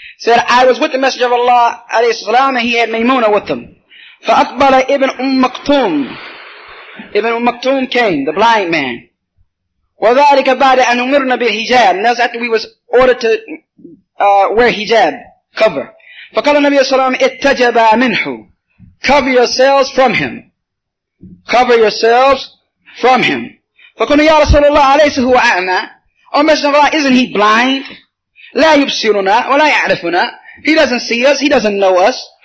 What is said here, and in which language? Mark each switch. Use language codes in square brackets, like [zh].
[en] Said, I was with the Messenger of Allah alayhi wa sallam, and he had maymuna with him. [ar] Fa akbala ibn Maktum. [en] Ibn Maktum came, the blind man. [ar] Wa dhalika ba'da an umirna bil hijab. [en] And that's after we was ordered to wear hijab, cover. [ar] فقال النبي صلى الله عليه وسلم اتجبا منه. [en] Cover yourselves from him. Cover yourselves from him. [ar] فقلنا يا رسول الله أليس هو أعمى. [en] Oh, Messenger of Allah, isn't he blind? [ar] لا يبصرنا ولا يعرفنا. [en] He doesn't see us, he doesn't know us.